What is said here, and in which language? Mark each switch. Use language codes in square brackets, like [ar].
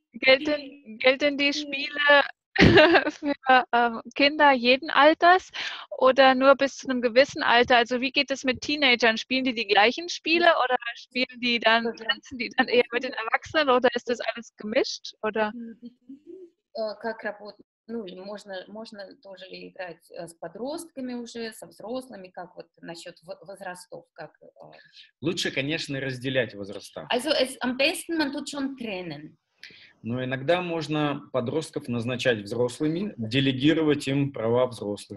[de] Gelten die Spiele für Kinder jeden Alters oder nur bis zu einem gewissen Alter? Also wie geht es mit Teenagern? Spielen die gleichen Spiele oder spielen die dann, tanzen die dann eher mit den Erwachsenen oder ist das alles gemischt? Oder? [ru] Как работает? Ну, можно тоже играть с подростками уже, со взрослыми, как вот насчет возрастов, как... Лучше, конечно, разделять возраста. [de] Also, es, am besten man tut schon trennen. [ru] Но иногда можно подростков назначать взрослыми, делегировать им права взрослых.